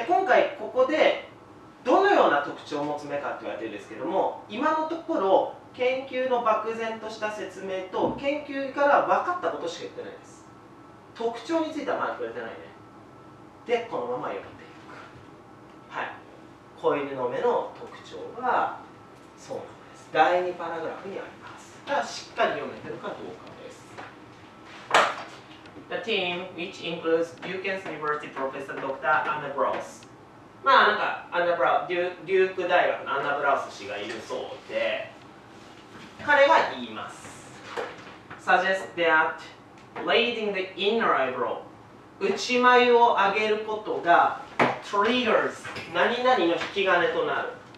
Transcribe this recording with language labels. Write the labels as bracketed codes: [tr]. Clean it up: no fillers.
[ja] で今回ここでどのような特徴を持つ目かって言われてるんですけども、今のところ研究の漠然とした説明と研究から分かったことしか言ってないです。特徴についてはまだ触れてないね。でこのまま読んでいく。はい、子犬の目の特徴はそうなんです。第2パラグラフにあります。だからしっかり読めてるかどうかです。 [en] The team which includes Duke's University Professor Dr. [ja] Anna Brosまあなんかアンナブラウス、デューク大学のアンナブラウス氏がいるそうで、彼は言います。 [en] Suggest that raising the inner eyebrow [ja] 内眉を上げることが triggers 何々の引き金となる。